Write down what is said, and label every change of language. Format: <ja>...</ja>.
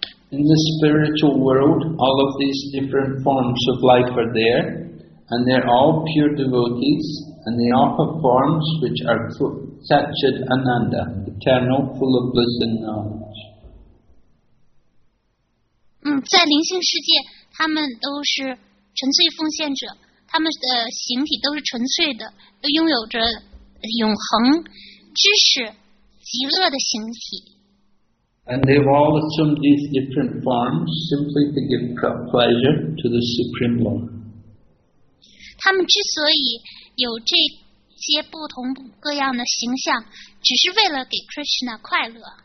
<en>In the spiritual world, all of these different forms of life are there, and they're all pure devotees, and they offer forms which are Satchit Ananda, eternal, full of bliss and knowledge.</en> <zh>在灵性世界，他们都是纯粹奉献者。他们的形体都是纯粹的，都拥有着永恒知识极乐的形体。</zh> <en>And they've all assumed these different forms simply to give pleasure to the Supreme Lord.</en> <zh>他们之所以有这些不同各样的形象，只是为了给 Krishna 快乐。</zh>